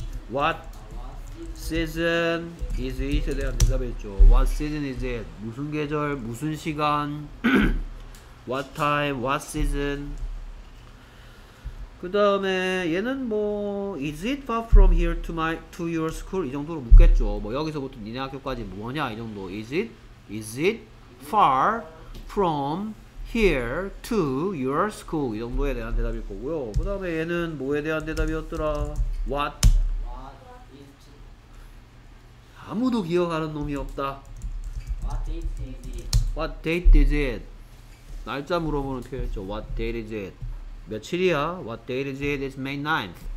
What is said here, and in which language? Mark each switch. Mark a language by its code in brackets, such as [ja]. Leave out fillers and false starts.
[en] What season is it? [ko] 에 대한 대답이었죠. [en] What season is it? [ko] 무슨 계절, 무슨 시간? [en] What time, what season? [ko] 그 다음에 얘는 뭐 [en] Is it far from here to your school? [ko] 이 정도로 묻겠죠. 뭐 여기서부터 니네 학교까지 뭐냐 이 정도. [en] Is it far from here to your school? [ko] 이 정도에 대한 대답일 거고요. 그 다음에 얘는 뭐에 대한 대답이었더라? [en] What? [ko] 아무도 기억하는 놈이 없다. [en] What date is it? What date is it? [ko] 날짜 물어보는 표현이죠. [en] What date is it? [ko] 며칠이야? [en] What date is it? It's May 9th.